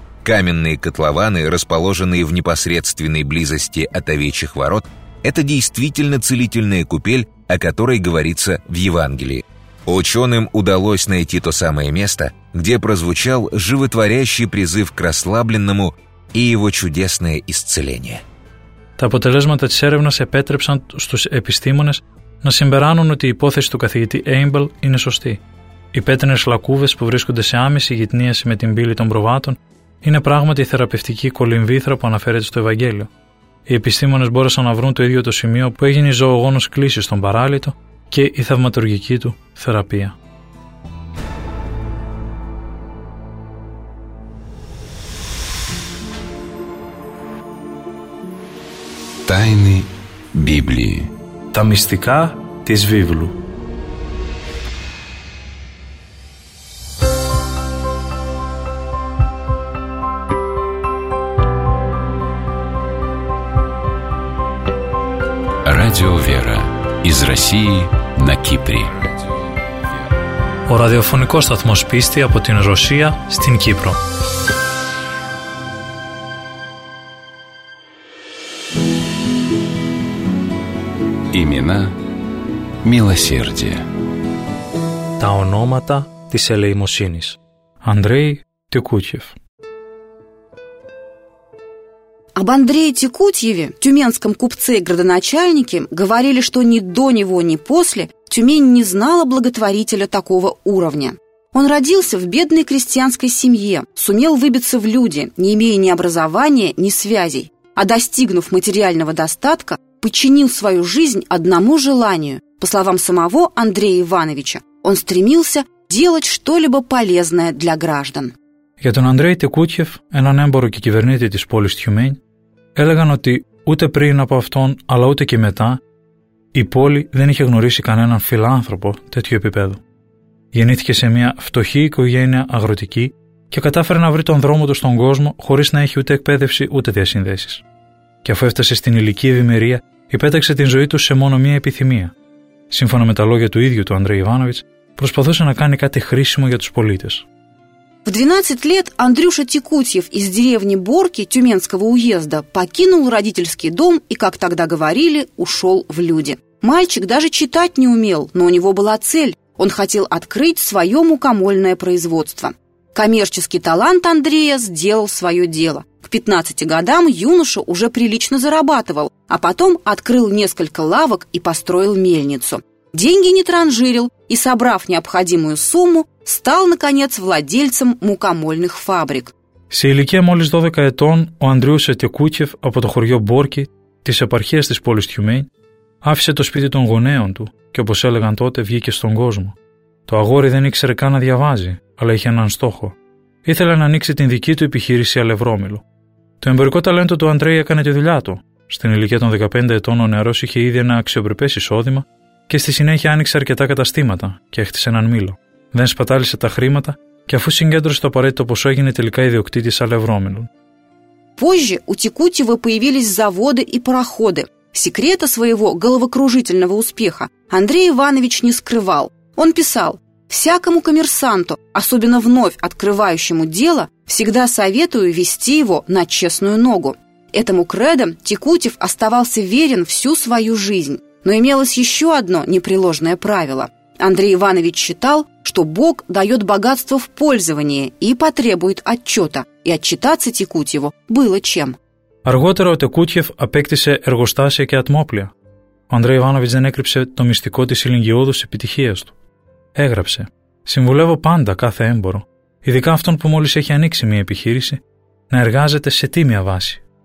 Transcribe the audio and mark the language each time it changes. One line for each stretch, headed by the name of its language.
Russian: Каменные котлованы, расположенные в непосредственной близости от Овечьих ворот, это действительно целительная купель, о которой говорится в Евангелии. Ученым удалось найти то самое место, где прозвучал животворящий призыв к расслабленному и его чудесное исцеление.
Greek: Τα αποτελέσματα της έρευνας επέτρεψαν στους επιστήμονες να συμπεράνουν ότι η υπόθεση του καθηγητή Έιμπελ είναι σωστή. Οι πέτρινες λακκούβες που βρίσκονται σε άμεση γυτνίαση με την πύλη των προβάτων είναι πράγματι η θεραπευτική κολυμβήθρα που αναφέρεται στο Ευαγγέλιο. Οι επιστήμονες μπόρεσαν να βρουν το ίδιο το σημείο που έγινε η ζωογόνος κλίση στον παράλυτο και η θαυματουργική του θεραπεία.
Russian: Τάινη Βίβλη.
Greek: Τα μυστικά της Βίβλου.
Russian: Radio Vera из России на Кипре.
Greek: Ο ραδιοφωνικός σταθμός πίστη από την Ρωσία στην Κύπρο.
Russian: Имена милосердия.
Greek: Τα ονόματα της ελεημοσύνης.
Russian: Андрей Тюкутьев. Об Андрее Тюкутьеве, тюменском купце и градоначальнике, говорили, что ни до него, ни после Тюмень не знала благотворителя такого уровня. Он родился в бедной крестьянской семье, сумел выбиться в люди, не имея ни образования, ни связей. А достигнув материального достатка, подчинил свою жизнь одному желанию. По словам самого Андрея Ивановича, он стремился делать что-либо полезное для граждан.
Greek: Για τον Андрей Текутьев, έναν έμπορο και κυβερνήτη της πόλης Τιουμένь, έλεγαν ότι ούτε πριν από αυτόν, αλλά ούτε και μετά, η πόλη δεν είχε γνωρίσει κανέναν φιλάνθρωπο τέτοιου επίπεδου. Γεννήθηκε σε μια φτωχή οικογένεια αγροτική και κατάφερε να βρει τον δρόμο του στον κόσμο χωρίς να έχει ούτε εκπαίδευση ούτε διασυνδέσεις. Και αφού έφτασε στην ηλική ευημερία, υπέταξε την ζωή του σε μόνο μία επιθυμία. Σύμφωνα με τα λόγια του ίδιου του Андрея Ιβάνοβιτς, προσπαθούσε να κάνει κάτι χρήσιμο για τους πολίτες.
Russian: В 12 лет Андрюша Текутьев из деревни Борки Тюменского уезда покинул родительский дом и, как тогда говорили, ушел в люди. Мальчик даже читать не умел, но у него была цель. Он хотел открыть свое мукомольное производство. Коммерческий талант Андрея сделал свое дело. К 15 годам юноша уже прилично зарабатывал, а потом открыл несколько лавок и построил мельницу. Деньги не транжирил и, собрав необходимую сумму, стал, наконец, владельцем мукомольных фабрик.
Greek: Σε ηλικία μόλις 12 ετών, ο Андрюша Текутьев από το χωριό Μπόρκι, της επαρχίας της πόλης Τιουμένь, άφησε το σπίτι των γονέων του και, όπως έλεγαν τότε, βγήκε στον κόσμο. Το αγόρι δεν ήξερε καν να διαβάζει, αλλά είχε έναν στόχο. Ήθελε να ανοίξει την δική του επιχείρηση αλευρόμηλο. Το εμπορικό ταλέντο του Андрея έκανε τη δουλειά του. Στην ηλικία των 15 ετών, ο νεαρός είχε ήδη ένα αξιοπρεπές εισόδημα και στη συνέχεια άνοιξε αρκετά καταστήματα και έχτισε έναν μήλο. Δεν σπατάλησε τα χρήματα και αφού συγκέντρωσε το απαραίτητο ποσό έγινε τελικά ιδιοκτήτης αλευρόμηλου.
Russian: Позже у Текутьева появились заводы и пароходы. Секрета своего головокружительного успеха Андрей Иванович не скрывал. Он писал: «Всякому коммерсанту, особенно вновь открывающему дело, всегда советую вести его на честную ногу». Этому кредо Текутьев оставался верен всю свою жизнь. Но имелось еще одно непреложное правило. Андрей Иванович считал, что Бог дает богатство в пользование и потребует отчета, и отчитаться Текутьеву было чем.
Greek: Αργότερα ο Текутьев απέκτησε εργοστάσια και ατμόπλια. Ο Андрей Иванович δεν έκρυψε το μυστικό της ηλιγιώδους επιτυχίας του. Έγραψε: «Συμβουλεύω πάντα κάθε έμπορο, ειδικά αυτόν που μόλις έχει ανοίξει μια επιχείρηση, να εργάζεται σε τίμια βάση».